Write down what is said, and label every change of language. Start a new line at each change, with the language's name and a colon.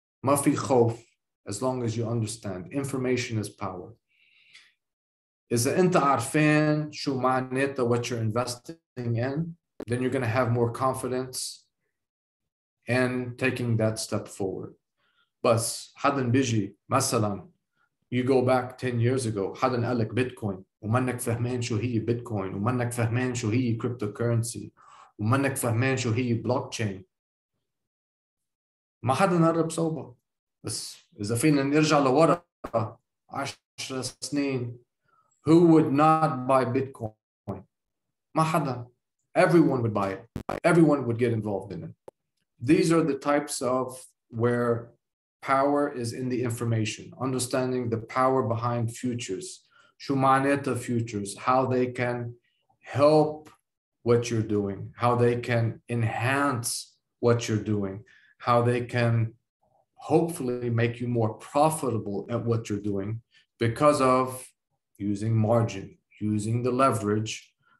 Arabic: ما في خوف,
English: as long as you understand. Information is power.
Arabic: إذا أنت عارفين شو معناته,
English: what you're investing in, then you're going to have more confidence in taking that step forward.
Arabic: بس حدا بيجي مثلا,
English: you go back 10 years ago,
Arabic: حدا قال لك بيتكوين ومنك فهمان شو هي بيتكوين ومنك فهمان شو هي cryptocurrency ومنك فهمان شو هي blockchain, ما حدا نقرب صوبه. بس إذا فينا نرجع لورا 10 سنين,
English: who would not buy Bitcoin?
Arabic: ما حدا.
English: Everyone would buy it. Everyone would get involved in it. These are the types of where power is in the information, understanding the power behind futures,
Arabic: شو معناته
English: futures, how they can help what you're doing, how they can enhance what you're doing, how they can hopefully make you more profitable at what you're doing because of using margin, using the leverage,